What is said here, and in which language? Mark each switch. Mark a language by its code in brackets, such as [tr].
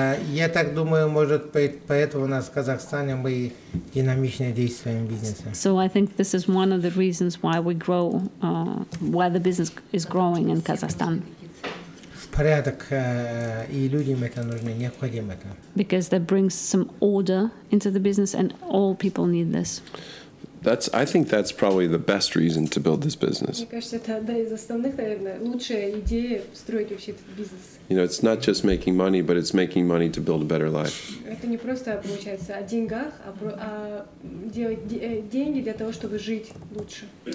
[ru] Я так думаю, может, поэтому у нас в Казахстане мы динамичнее действуем в бизнесе. [en] So I think this is one of the reasons why we grow, why the business is growing in Kazakhstan. [ru] Порядок, и людям это нужно, необходимо это. [en] Because that brings some order into the business and all people need this. I think that's probably the best reason to build this business. [ru] Мне кажется, это одна из основных, наверное, лучшая идея строить вообще этот бизнес. [en] You know, it's not just making money, but it's making money to build a better life. [ru] Это не просто получается о деньгах, а делать деньги для того, чтобы жить лучше.